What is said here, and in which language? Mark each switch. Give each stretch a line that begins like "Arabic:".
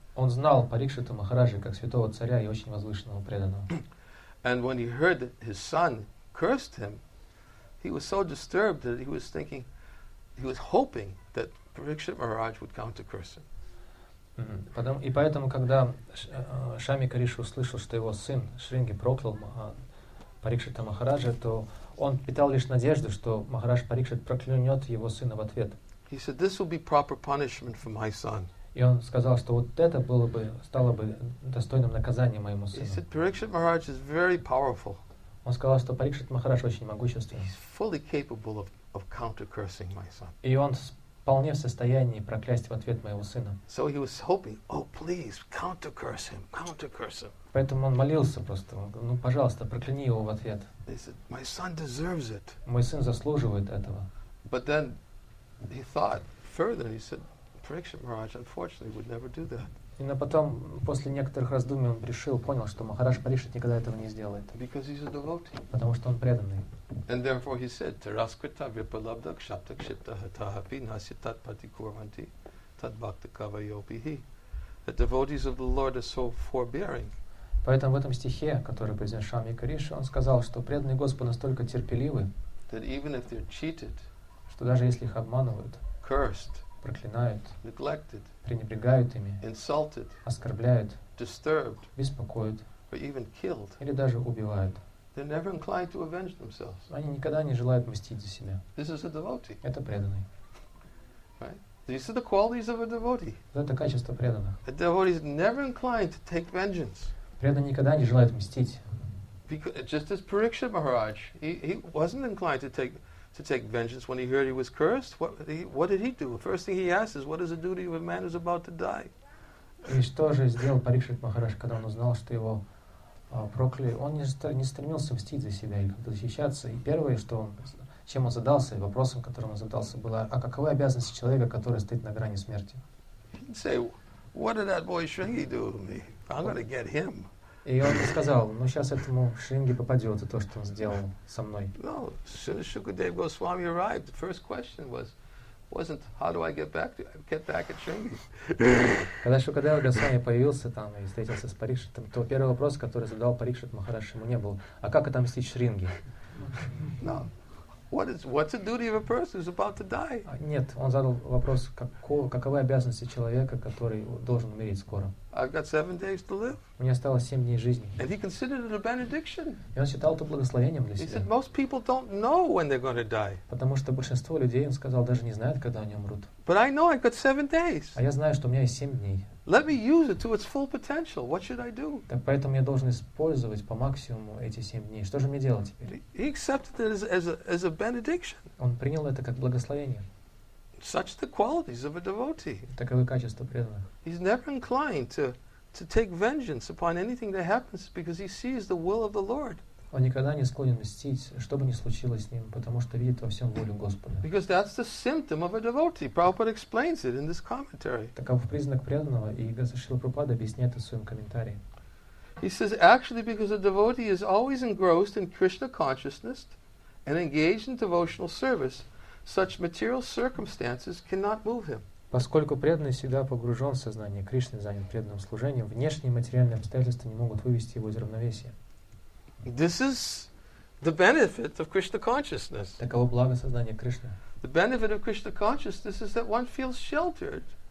Russian: Он знал Парикшита Махараджа как святого царя и очень возвышенного преданного.
English: And when he heard that his son cursed him, he was so disturbed that he was thinking, he was hoping that Parikshit Maharaj would come to curse him.
Russian: Потом, и поэтому, когда Шамика Риши услышал, что его сын Шринги проклял Парикшита Махараджа, то он питал лишь надежду, что Махарадж Парикшит проклянет его сына в ответ.
English: He said, "This will be proper punishment for my son."
Russian: И он сказал, что вот это было бы, стало бы достойным наказанием моему сыну.
English: He said, "Parikshit Maharaj is very powerful."
Russian: Он сказал, что Парикшит Махарадж очень могущественен.
English: He's fully capable of counter-cursing my son.
Russian: И он вполне в состоянии проклясть в ответ моего сына.
English: So he was hoping, oh, please, counter-curse him, counter-curse him.
Russian: Поэтому он молился просто, ну, пожалуйста, прокляни его в ответ.
English: He said, my son deserves it.
Russian: Мой сын заслуживает этого.
English: But then he thought further, he said, Parikshit Maharaj, unfortunately, would never do that.
Russian: И потом, после некоторых раздумий, он решил, понял, что Махарадж Парикшит никогда этого не сделает.
English: Because he's a devotee.
Russian: Потому что он преданный.
English: And therefore he said,
Sanskrit: Tiraskrita vipalabdha kshapta kshipta hatahapi nasya tat tad-bhakta-kava-yopi-hi.
English: The devotees of the Lord are so forbearing.
Russian: Поэтому в этом стихе, который произнес Шами Кариша, он сказал, что преданные Господу настолько терпеливы,
English: that even if they're cheated,
Russian: что даже если их обманывают,
English: cursed,
Russian: проклинают,
English: neglected,
Russian: пренебрегают ими,
English: insulted,
Russian: оскорбляют,
English: disturbed,
Russian: беспокоят,
English: or even killed,
Russian: или даже убивают,
English: they're never inclined to avenge themselves.
Russian: Они никогда не желают мстить за себя.
English: This is a devotee.
Russian: Это преданный.
English: Right? These are the qualities of a devotee.
Russian: Это качество преданных.
English: A devotee is never inclined to take vengeance.
Russian: Преданный никогда не желает мстить.
English: Because, just as Parikshit Maharaj, he wasn't inclined to take vengeance when he heard he was cursed. What did he do? The first thing he asked is, what is the duty of a man who's about to die?
Russian: И что же сделал Парикшит Махарадж, когда он узнал, что его прокляли? Он не стремился мстить за себя или защищаться. И первое, что он, чем он задался, и вопросом, которым он задался, было, а каковы обязанности человека, который стоит на грани смерти?
English: What did that boy Шринги do to me? I'm gonna get him.
Russian: И он сказал, ну сейчас этому Шринги попадет и то, что он сделал со мной.
English: No, as soon as Shukadev Goswami arrived, the first question wasn't how do I get back at Шринги.
Russian: Когда Шукадев Госвами появился там и встретился с Парикшитом, то первый вопрос, который задал Парикшит Махарадж, ему не был, а как отомстить Шринги?
English: No. What's the duty of a person who's about to die?
Russian: Нет, он задал вопрос, каковы обязанности человека, который должен умереть скоро.
English: I've got 7 days to live.
Russian: У меня осталось 7 дней жизни.
English: And he considered it a benediction.
Russian: И он считал это благословением для
English: he
Russian: себя.
English: He said most people don't know when they're going to die.
Russian: Потому что большинство людей, он сказал, даже не знают, когда они умрут.
English: But I know I've got 7 days.
Russian: А я знаю, что у меня есть 7 дней.
English: Let me use it to its full potential. What should I do?
Russian: Так поэтому я должен использовать по максимуму эти 7 дней. Что же мне делать теперь?
English: He accepted it as a benediction.
Russian: Он принял это как благословение.
English: Such the qualities of a devotee.
Russian: Таковы качества преданных.
English: He's never inclined to take vengeance upon anything that happens because he sees the will of the Lord.
Russian: Он никогда не склонен мстить, что бы ни случилось с ним, потому что видит во всем волю Господа.
English: Because that's the symptom of a devotee. Prabhupada explains it in this commentary.
Russian: Таков признак преданного, и Шрила Прабхупада объясняет это в своем комментарии.
English: He says, actually, because a devotee is always engrossed in Krishna consciousness and engaged in devotional service, such material circumstances cannot move him.
Russian: Поскольку преданный всегда погружен в сознание Кришны, занят преданным служением, внешние материальные обстоятельства не могут вывести его из равновесия.
English: This is the benefit of Krishna consciousness.
Russian: Таково благо сознания Кришны.
English: The benefit of Krishna consciousness is that one feels sheltered.